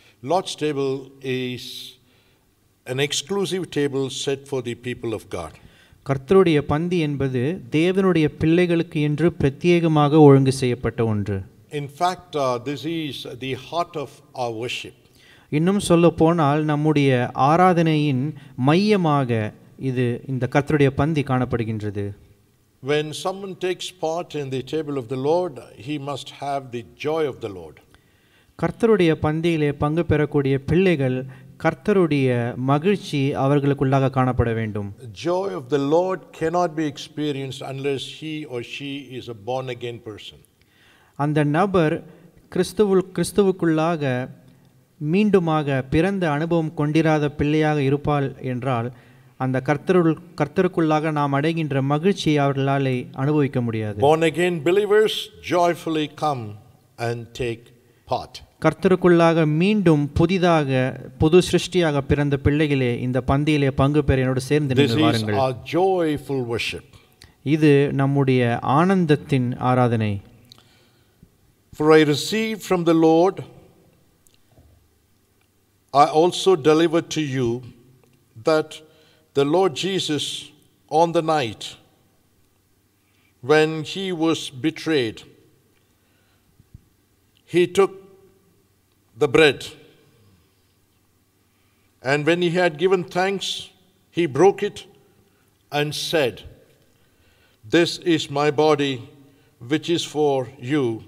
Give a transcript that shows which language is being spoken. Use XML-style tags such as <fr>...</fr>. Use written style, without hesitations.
<en>Lord's table is an exclusive table set for the people of God.</en> <ta>கர்த்தருடைய பந்தி என்பது தேவனுடைய பிள்ளைகளுக்கு என்று பிரத்தியேகமாக ஒழுங்கு செய்யப்பட்ட ஒன்று.</ta> <en>In fact, this is the heart of our worship.</en> <ta>இன்னும் சொல்லப்போனால் நம்முடைய ஆராதனையின் மையமாக இது இந்த கர்த்தருடைய பந்தி காணப்படுகின்றது.</ta> <en>When someone takes part in the table of the Lord, he must have the joy of the Lord.</en> <ta>கர்த்தருடைய பந்தியிலே பங்கு பெறக்கூடிய பிள்ளைகள் கர்த்தருடைய மகிழ்ச்சி அவர்களுக்குள்ளாக காணப்பட வேண்டும்.</ta> <en>Joy of the Lord cannot be experienced unless he or she is a born again person.</en> <ta>அந்த நபர் கிறிஸ்துவுக்குள்ளாக மீண்டுமாக பிறந்த அனுபவம் கொண்டிராத பிள்ளையாக இருப்பால் என்றால் அந்த கர்த்தருக்குள்ளாக நாம் அடைகின்ற மகிழ்ச்சியை அவர்களால் அனுபவிக்க முடியாது.</ta> <en>Born again believers joyfully come and take part.</en> <ta>கர்த்தருக்குள்ளாக மீண்டும் புதிதாக புது சிருஷ்டியாக பிறந்த பிள்ளைகளே இந்த பந்தியிலே பங்கு பெற என்னோடு சேர்ந்து நீங்கள் வாருங்கள்.</ta> <en>This is our joyful worship.</en> <ta>இது நம்முடைய ஆனந்தத்தின் ஆராதனை.</ta> <en>For I received from the Lord, I also delivered to you that the Lord Jesus, on the night when he was betrayed, he took the bread, and when he had given thanks, he broke it and said, "This is my body, which is for you.</en>